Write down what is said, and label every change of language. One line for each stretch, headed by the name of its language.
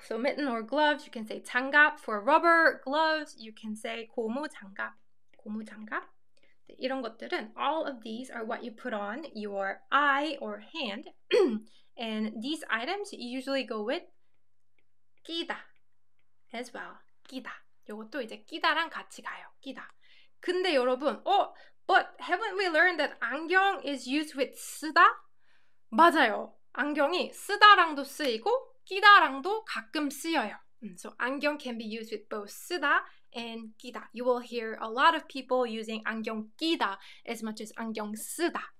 English: So mitten or gloves, you can say 장갑. For rubber gloves, you can say 고무 장갑, 고무 장갑.
Korean: 이런 것들은
English: all of these are what you put on your eye or hand. And these items usually go with 끼다 as well.
Korean: 끼다. 이것도 이제 끼다랑 같이 가요.
English: 끼다.
Korean: 근데 여러분,
English: but haven't we learned that 안경 is used with 쓰다?
Korean: 맞아요. 안경이 쓰다랑도 쓰이고 끼다랑도 가끔 쓰여요.
English: So 안경 can be used with both 쓰다 and 끼다. You will hear a lot of people using 안경 끼다 as much as 안경 쓰다.